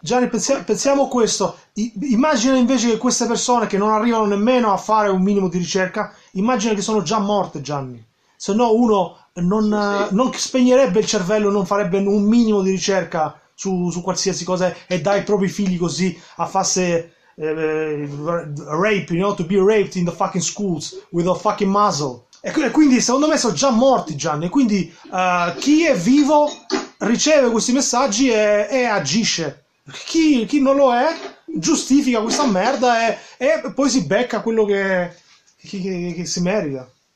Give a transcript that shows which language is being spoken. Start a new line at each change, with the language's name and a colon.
Italian: Gianni, pensiamo questo, immagina invece che queste persone che non arrivano nemmeno a fare un minimo di ricerca, immagina che sono già morte, Gianni, se no uno non spegnerebbe il cervello, non farebbe un minimo di ricerca su qualsiasi cosa e dà i propri figli così a farse...
English: rape, you know, to be raped in the fucking schools with a fucking muzzle.
Italian: E quindi secondo me sono già morti, Gianni. E quindi chi è vivo riceve questi messaggi e agisce. Chi non lo è giustifica questa merda e poi si becca quello che si merita.